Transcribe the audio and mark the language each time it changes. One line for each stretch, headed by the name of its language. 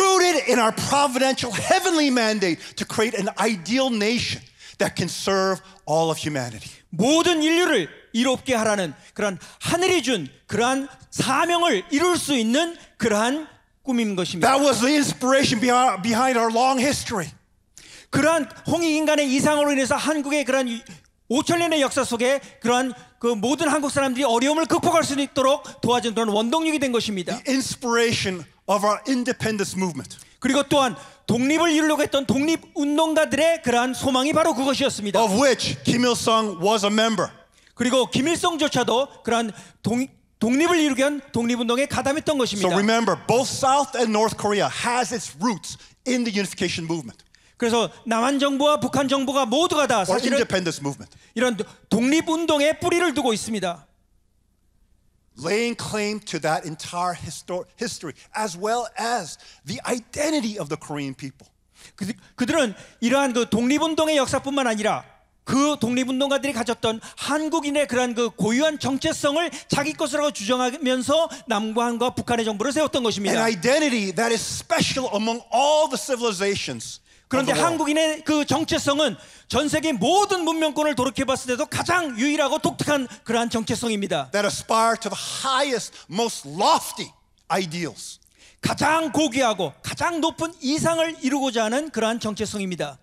English: Rooted in our providential heavenly mandate to create an ideal nation that can serve all of humanity.
Korean: 모든 인류를 이롭게 하라는 그런 하늘이 준 그러한 사명을 이룰 수 있는 그러한 꿈인 것입니다.
English: That was the inspiration behind our long history.
Korean: 그러한 홍익 인간의 이상으로 인해서 한국의 그러한 5,000년의 역사 속에 그러한 그 모든 한국 사람들이 어려움을 극복할 수 있도록 도와준 그런 원동력이 된 것입니다.
English: The inspiration of our independence movement.
Korean: 그리고 또한 독립을 이루려고 했던 독립 운동가들의 그러한 소망이 바로 그것이었습니다.
English: Of which Kim Il-sung was a member.
Korean: 그리고 김일성조차도 그러한 독립을 이루기 위한 독립 운동에 가담했던 것입니다.
English: So remember, both South and North Korea has its roots in the unification movement.
Korean: 그래서 남한 정부와 북한 정부가 모두가 다 사실은 이런 독립 운동의 뿌리를 두고 있습니다.
English: Laying claim to that entire history as well as the identity of the Korean people.
Korean: 그들은 이러한 그 독립 운동의 역사뿐만 아니라 그 독립운동가들이 가졌던 한국인의 그런 그 고유한 정체성을 자기 것이라고 주장하면서 남한과 북한의 정부를 세웠던 것입니다.
English: An identity that is special among all the civilizations.
Korean: 그런데 한국인의 그 정체성은 전 세계 모든 문명권을 돌이켜봤을 때도 가장 유일하고 독특한 그러한 정체성입니다.
English: That aspire to the highest, most lofty ideals.
Korean: 가장 고귀하고 가장 높은 이상을 이루고자 하는 그러한 정체성입니다.